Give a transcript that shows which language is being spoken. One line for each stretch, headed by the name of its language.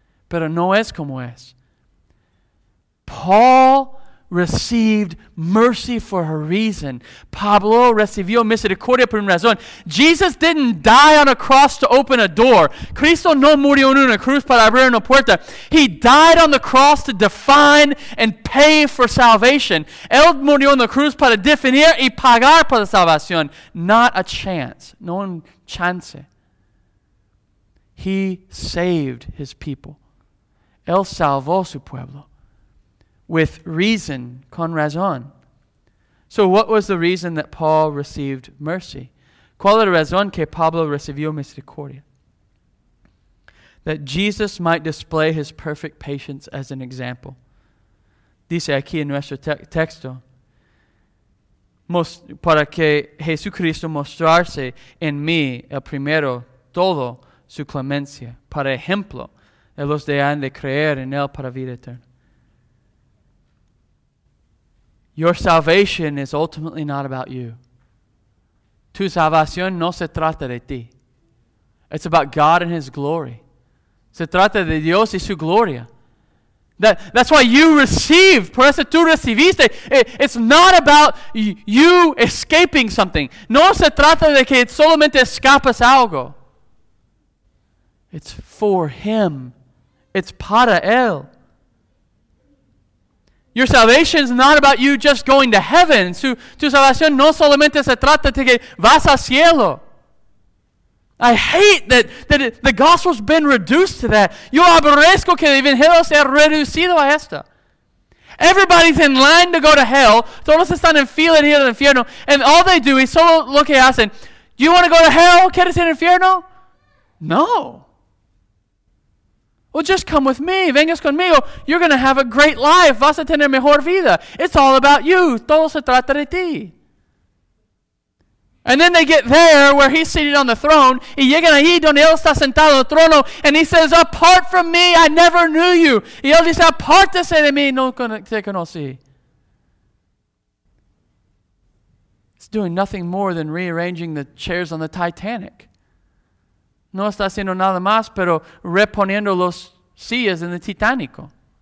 Spanish: Pero no es como es.
English: Paul received mercy for a reason.
Spanish: Pablo recibió misericordia por una razón.
English: Jesus didn't die on a cross to open a door.
Spanish: Cristo no murió en una cruz para abrir una puerta.
English: He died on the cross to define and pay for salvation.
Spanish: Él murió en la cruz para definir y pagar por la salvación.
English: Not a chance.
Spanish: No un chance.
English: He saved his people.
Spanish: Él salvó su pueblo.
English: With reason,
Spanish: con razón.
English: So what was the reason that Paul received mercy?
Spanish: ¿Cuál era la razón que Pablo recibió misericordia?
English: That Jesus might display his perfect patience as an example.
Spanish: Dice aquí en nuestro texto, para que Jesucristo mostrarse en mí el primero todo su clemencia, para ejemplo de los que han de creer en él para vida eterna.
English: Your salvation is ultimately not about you.
Spanish: Tu salvación no se trata de ti.
English: It's about God and His glory.
Spanish: Se trata de Dios y su gloria.
English: That's why you receive.
Spanish: Por eso tú recibiste.
English: It's not about you escaping something.
Spanish: No se trata de que solamente escapas algo.
English: It's for Him. It's
Spanish: para Él.
English: Your salvation is not about you just going to heaven.
Spanish: Tu salvación no solamente se trata de que vas al cielo.
English: I hate that the gospel's been reduced to that.
Spanish: Yo aborrezco que el evangelio sea reducido a esto.
English: Everybody's in line to go to hell.
Spanish: Todos están en fila en el infierno.
English: And all they do is
Spanish: solo lo que hacen.
English: Do you want to go to hell?
Spanish: ¿Quieres ir al infierno?
English: No. Well, just come with me.
Spanish: Vengas conmigo.
English: You're going to have a great life.
Spanish: Vas a tener mejor vida.
English: It's all about you.
Spanish: Todo se trata de ti.
English: And then they get there where he's seated on the throne.
Spanish: Y llegan ahí donde él está sentado en el trono.
English: And he says, apart from me, I never knew you.
Spanish: Y él dice, apártese de mí, no te conocí.
English: It's doing nothing more than rearranging the chairs on the Titanic.
Spanish: No está haciendo nada más, pero reponiendo los sillas en el Titanico.